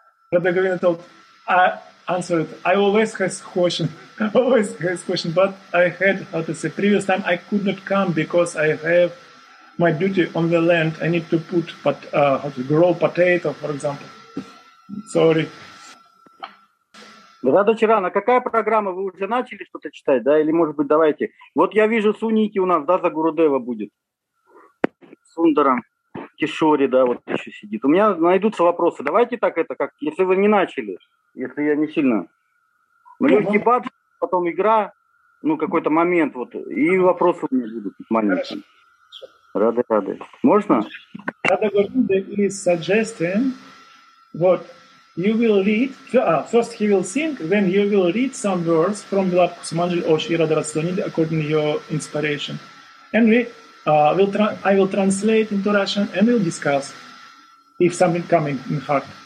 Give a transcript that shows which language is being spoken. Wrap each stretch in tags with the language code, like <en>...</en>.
<en>Рада Говинда told, answered, I always has question, always has question, but I had, how to say, previous time I could not come because I have my duty on the land. I need to put, but how to grow potato, for example. Sorry.</en> <ru>Рада Чиран, а какая программа? Вы уже начали что-то читать, да? Или, может быть, давайте. Вот я вижу Суники у нас, да, за Гурудева будет. Сундаром. Кишори, да, вот еще сидит. У меня найдутся вопросы. Давайте так это, как если вы не начали, если я не сильно. Легкий бат, потом игра, ну, какой-то момент, вот, и вопросы у меня будут маленькие. Рады-рады. Можно?</ru> <en>Рада Гурудева is suggesting what you will read, first he will sing, then you will read some words from Vilap Kusumanjali or Shri Radha Rasanidhi according to your inspiration. And we I will translate into Russian and we'll discuss if something coming in heart.</en>